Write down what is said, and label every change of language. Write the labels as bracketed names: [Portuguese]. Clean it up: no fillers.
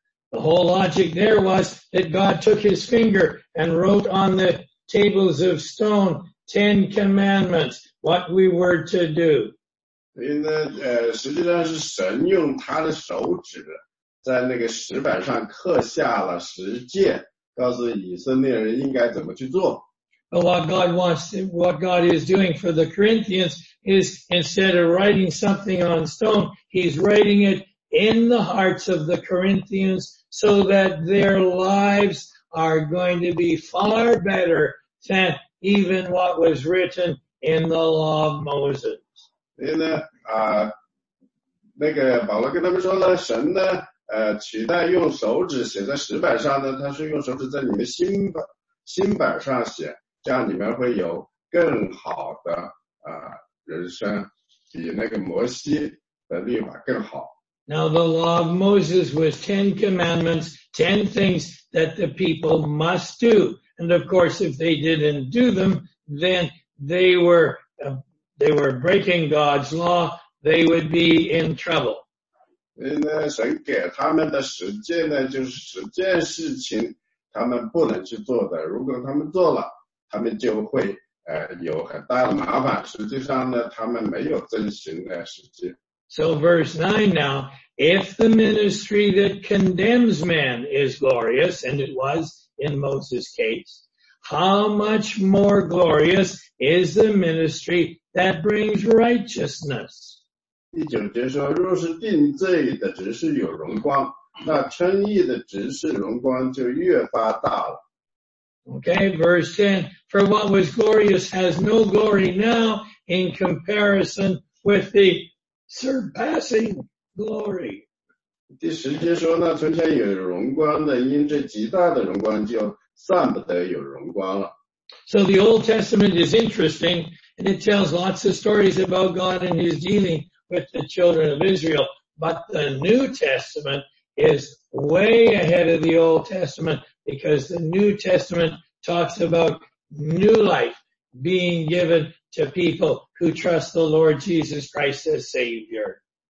[English] The whole logic there was that God took his finger and wrote on the tables of stone Ten Commandments, what we were to do. [Chinese] 所以呢，实际上是神用他的手指在那个石板上刻下了十诫，告诉以色列人应该怎么去做。 [English] But what God is doing for the Corinthians is instead of writing something on stone, he's writing it in the hearts of the Corinthians so that their lives are going to be far better than even what was written in the law of Moses. [Chinese] 所以呢，那个保罗跟他们说呢，神呢，取代用手指写在石板上呢，他是用手指在你们心板上写。这样你们会有更好的人生，比那个摩西的律法更好。 [English] Now the law of Moses was 10 commandments, 10 things that the people must do. And of course, if they didn't do them, then they were breaking God's law. They would be in trouble. [Chinese] 神给他们的十诫呢，就是十件事情他们不能去做的。如果他们做了，他们就会有很大的麻烦。实际上呢，他们没有遵循呢，实际。 [English] So verse 9 now, if the ministry that condemns man is glorious, and it was in Moses' case, how much more glorious is the ministry that brings righteousness? [Chinese] 19节说, 若是定罪的执事有荣光, 那称义的执事荣光就越发大了。 [English] Okay, verse 10, for what was glorious has no glory now in comparison with the surpassing glory. [Chinese] 第十节说, 那从前有荣光的, 因这极大的荣光就散不得有荣光了。 [English] So the Old Testament is interesting, and it tells lots of stories about God and his dealing with the children of Israel, but the New Testament is way ahead of the Old Testament, because the New Testament talks about new life being given to people who trust the Lord Jesus Christ as Savior.